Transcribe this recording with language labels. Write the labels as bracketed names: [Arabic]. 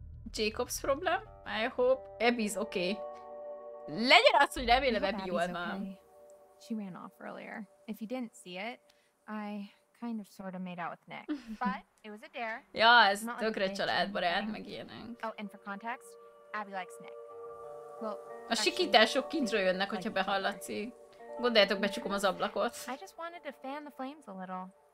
[English] Jacob's problem? I hope. Abby's okay. [Hungarian] Legyen az, hogy remélem Abby jól van. [English] She ran off earlier. If you didn't see it, I kind of sort of made out with Nick. But it was a dare. [Hungarian] Ja, ez tökre családbarát, meg ilyenek. [English] Oh, and for context, Abby likes Nick. [Hungarian] Well, a sikítások kintről jönnek, hogyha behallatszik. Gondoljátok, becsukom az ablakot. [English] I just wanted to fan the flames a little.